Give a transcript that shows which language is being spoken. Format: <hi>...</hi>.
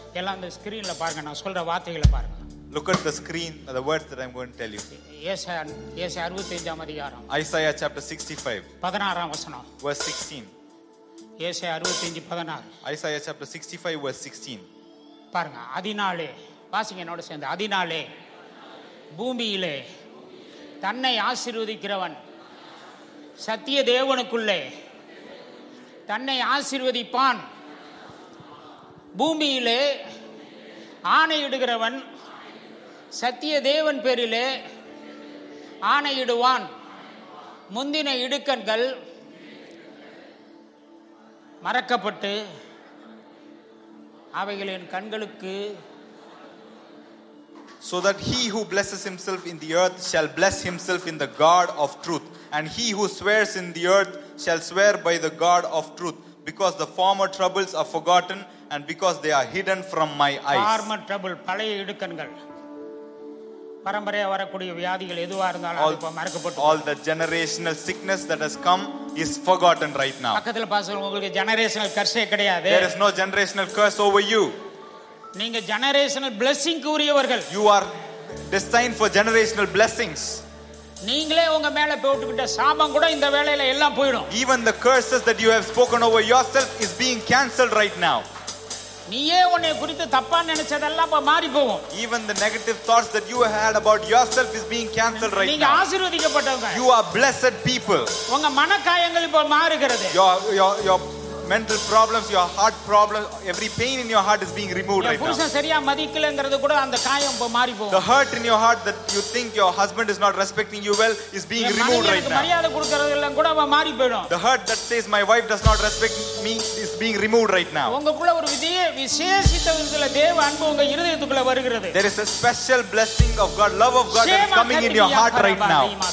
<ta>எல்லாம் இந்த ஸ்கிரீன்ல பாருங்க, நான் சொல்ற வார்த்தைகளை பாருங்க.</ta> <en>Look at the screen, the words that I'm going to tell you.</en> <ta>Yesaya 65th adhigaram.</ta> <en>Isaiah chapter 65.</en> <ta>16th vasanam.</ta> <en>Verse 16.</en> <ta>Yesaya 65:16.</ta> <en>Isaiah chapter 65 verse 16.</en> <ta>பாருங்க, அதினாலே வாசிங்க என்னோட சேர்ந்து. அதினாலே பூமியிலே தன்னை ஆசீர்வதிக்கிறவன் சத்திய தேவனுக்குள்ளே தன்னை ஆசீர்வதிப்பான். பூமியிலே ஆணையிடுகிறவன் சத்திய தேவன் பேரிலே ஆணையிடுவான். முந்தின இடுக்கண்கள் மறக்கப்பட்டு அவைகளின் கண்களுக்கு.</ta> <en>So that he who blesses himself in the earth shall bless himself in the God of truth, and he who swears in the earth shall swear by the God of truth, because the former troubles are forgotten and because they are hidden from my eyes. Former trouble,</en> <ta>பழைய இடுக்கண்கள், பாரம்பரிய வரக்கூடிய வியாதிகள் எதுவா இருந்தாலும் அது இப்ப மறக்கப்பட்டு.</ta> <en>All the generational sickness that has come is forgotten right now.</en> <ta>பக்கத்துல பாசறவங்க, உங்களுக்கு</ta> <en>generational curse</en> <ta>கிடையாது.</ta> <en>There is no generational curse over you.</en> <ta>நீங்க</ta> <en>generational blessing</en> <ta>உரியவர்கள்.</ta> <en>You are destined for generational blessings.</en> <ta>நீங்களே உங்க மேல போட்டுக்கிட்ட சாபம் கூட இந்த வேளையில எல்லாம் போயிடும்.</ta> <en>Even the curses that you have spoken over yourself is being cancelled right now.</en> <ta>நீயே உன்னை குறித்து தப்பா நினைச்சதெல்லாம் இப்ப மாறி போகும்.</ta> <en>Even the negative thoughts that you had about yourself is being cancelled right now.</en> <ta>நீங்க ஆசீர்வதிக்கப்பட்டவங்க.</ta> <en>You are blessed people.</en> <ta>உங்க மனக்காயங்கள் இப்ப மாறுகிறது.</ta> <en>Your mental problems, your heart problems, every pain in your heart is being removed right now.</en> <ta>புருஷன் சரியா மதிக்கலங்கிறது கூட அந்த காயம் இப்ப மாறி போகும்.</ta> <en>The hurt in your heart that you think your husband is not respecting you well is being removed right now.</en> <ta>மரியாதை கொடுக்கிறது எல்லாம் கூட மாறி போயிடும்.</ta> <en>The hurt that says my wife does not respect me is being removed right now.</en> <ta>உங்களுக்குள்ள ஒரு விசேஷித்த விதத்துல தேவ அன்பு உங்க இதயத்துக்குள்ள வருகிறது.</ta> <en>There is a special blessing of God, love of God that is coming in your heart right now.</en>